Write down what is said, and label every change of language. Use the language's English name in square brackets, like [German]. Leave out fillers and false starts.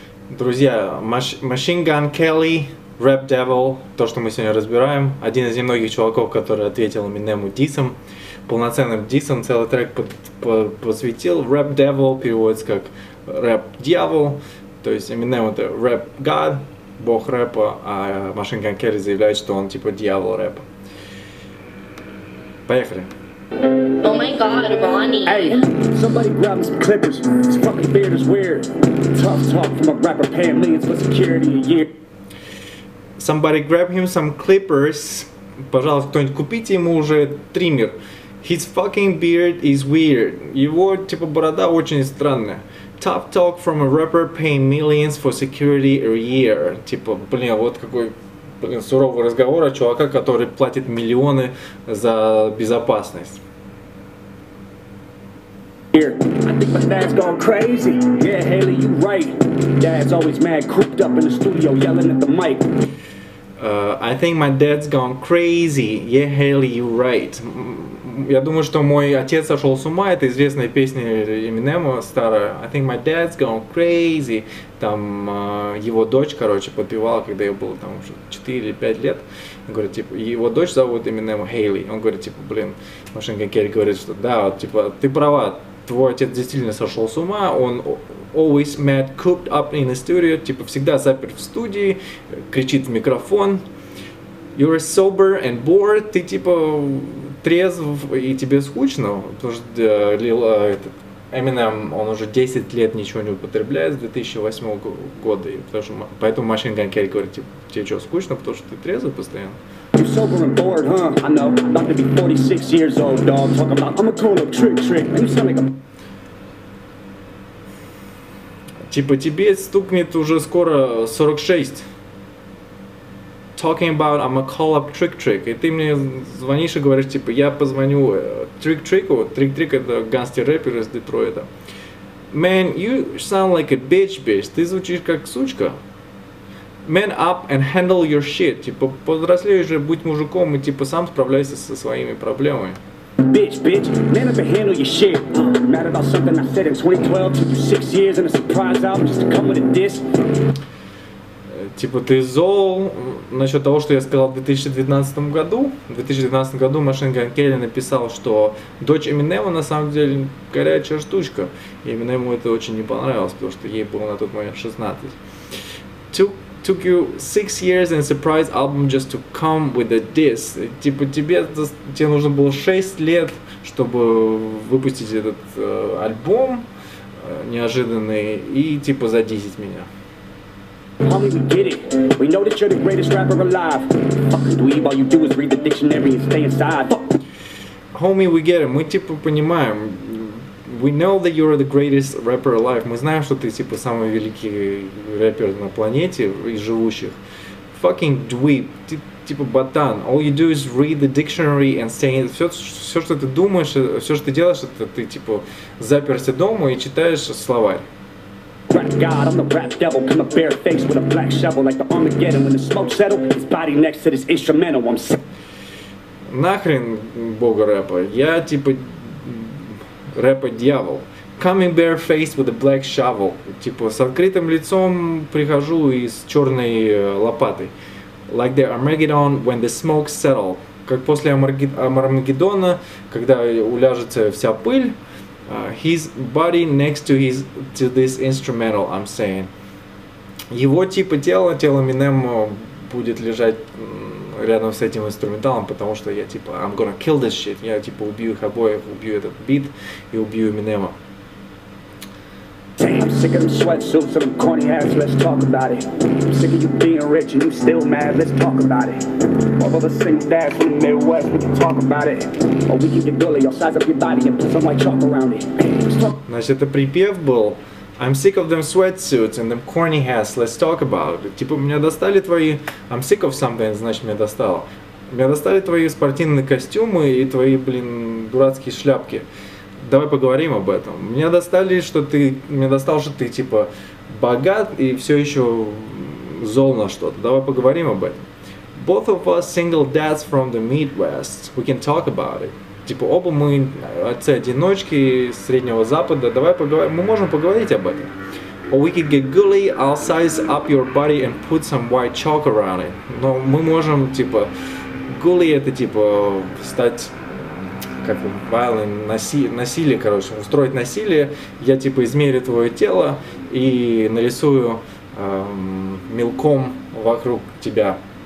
[Russian] Друзья, Machine Gun Kelly, Rap Devil, то, что мы сегодня разбираем, один из немногих чуваков, который ответил Eminem диссом, полноценным диссом, целый трек посвятил Rap Devil, переводится как Rap Дьявол, то есть Eminem это Rap God, бог рэпа, а Machine Gun Kelly заявляет, что он типа дьявол рэпа. Поехали. [English] Oh my god, Ronnie. Hey, somebody grab me some clippers. This fucking beard is weird. Tough talk from a rapper paying millions for security a year. Somebody grab him some clippers. [Russian] Пожалуйста, кто-нибудь купите ему уже триммер. [English] His fucking beard is weird. [Russian] Его, типа, борода очень странная. [English] Tough talk from a rapper paying millions for security a year. [Russian] Типа, блин, вот какой... Блин, суровый разговор о чувака, который платит миллионы за безопасность. [English] Here. I think my dad's gone crazy. Yeah, Haley, you right. Dad's always mad, cooped up in the studio, yelling at the mic. I think my dad's gone crazy. Yeah, Haley, you right. [Russian] Я думаю, что мой отец сошел с ума. Это известная песня Eminem'а старая. [English] I think my dad's gone crazy. [Russian] Там его дочь, короче, подпевала, когда ей было там уже 4 или 5 лет. Он говорит, типа, его дочь зовут Eminem Haley. Он говорит, типа, блин, Machine Gun Kelly говорит, что да, вот, типа, ты права, твой отец действительно сошел с ума. Он [English] always mad, cooped up in the studio, [Russian] типа, всегда заперт в студии, кричит в микрофон. [English] You're sober and bored, [Russian] ты, типа, трезв и тебе скучно, потому что этот Eminem, он уже 10 лет ничего не употребляет с 2008 года, и потому что, поэтому Machine Gun Kelly говорит, типа, тебе что, скучно, потому что ты трезвый постоянно. [English] You're sober and bored, huh? I know, I'm about to be 46 years old, dog, talk about, I'm a cool little trick, and you sound like a... [Russian] Типа, тебе стукнет уже скоро 46. [English] Talking about I'm a call up trick-trick. [Russian] И ты мне звонишь и говоришь, типа, я позвоню трик-трику. Трик-трик — это гангстер-рэпер из Детройта. [English] Man, you sound like a bitch-bitch. [Russian] Ты звучишь как сучка. [English] Man up and handle your shit. [Russian] Типа, повзрослей же, будь мужиком и, типа, сам справляйся со своими проблемами. [English] Bitch, bitch, man up and handle your shit. Mad about something I said in 2012, took you 6 years and a surprise album just to come with a disc. [Russian] Типа, ты зол насчет того, что я сказал в 2012 году. В 2012 году Machine Gun Kelly написал, что дочь Eminem на самом деле горячая штучка. И Eminem это очень не понравилось, потому что ей было на тот момент 16. [English] Took you 6 years and a surprise album just to come with a diss. [Russian] Типа, тебе нужно было 6 лет, чтобы выпустить этот альбом неожиданный, и типа задиссить меня. [English] Homie, we get it. [Russian] Мы типа понимаем. [English] We know that you're the greatest rapper alive. [Russian] Мы знаем, что ты типа самый великий рэпер на планете из живущих. [English] Fucking dweeb. [Russian] Ты типа ботан. [English] All you do is read the dictionary and stay inside. [Russian] Все, что ты думаешь, все, что ты делаешь, это ты типа заперся дома и читаешь словарь. [English] Rap God, I'm the rap devil. Come a bare face with a black shovel like the Armageddon. When the smoke settles, his body next to this instrumental. I'm sick. [Russian] Нахрен бога рэпа. Я типа рэпа дьявол. [English] Coming bare face with a black shovel. [Russian] Типа с открытым лицом прихожу и с черной лопатой. [English] Like the Armageddon when the smoke settles. [Russian] Как после Армагеддона, когда уляжется вся пыль. [English] His body next to his to this instrumental, I'm saying. [Russian] Его типа тело Eminem будет лежать рядом с этим инструменталом, потому что я типа [English] I'm gonna kill this shit. [Russian] Я типа убью их обоих, убью этот бит и убью Eminem'а. [English] Damn, sick of them sweatsuits and them corny ass, let's talk about it. Sick of you being rich and you still mad, let's talk about it. All of the single dads from the Midwest, we can talk about it. Or we can get gully, I'll size up your body and put some white chalk around it. [Russian] Значит, это припев был. [English] I'm sick of them sweatsuits and them corny hats, let's talk about it. [Russian] Типа, меня достали твои... [English] I'm sick of something, [Russian] значит, меня достало. Меня достали твои спортивные костюмы и твои, блин, дурацкие шляпки. Давай поговорим об этом. Меня достал, что ты, типа, богат и все еще зол на что-то. Давай поговорим об этом. [English] Both of us single dads from the Midwest, we can talk about it. [Russian] Типа, оба мы отцы-одиночки Среднего Запада, давай поговорим, мы можем поговорить об этом. [English] Or we could get Gully, I'll size up your body and put some white chalk around it. [Russian] Но мы можем, типа, Gully это, типа, стать, как violent, насилие, короче, устроить насилие. Я, типа, измерю твое тело и нарисую мелком вокруг тебя.